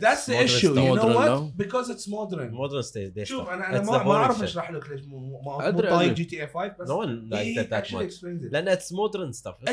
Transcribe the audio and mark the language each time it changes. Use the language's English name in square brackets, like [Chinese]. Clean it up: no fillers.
[English] that's the issue you know what because it's modern modern stage [Arabic] شوف أنا ما أعرف أشرح لك ليش مو طايق GTA 5 [English] no one like that that much [Arabic] لأن [English] it's modern stuff